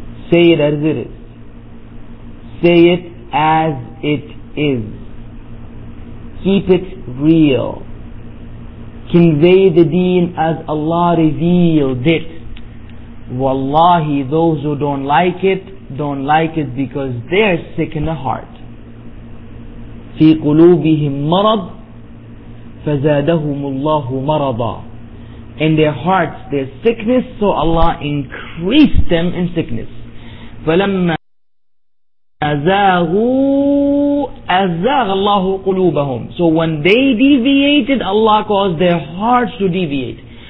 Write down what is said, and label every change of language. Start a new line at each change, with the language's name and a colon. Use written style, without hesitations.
English: Say it as it is. Say it as it is. Keep it real. Convey the deen as Allah revealed it. Wallahi, those who don't like it because they're sick in the heart.
Arabic: في قلوبهم مرض فزادهم الله مرضا.
English: In their hearts there's sickness, so Allah increased them in sickness.
Arabic: فَلَمَّا أَزَاغُوا أَزَاغَ اللَّهُ قُلُوبَهُمْ.
English: So when they deviated, Allah caused their hearts to deviate.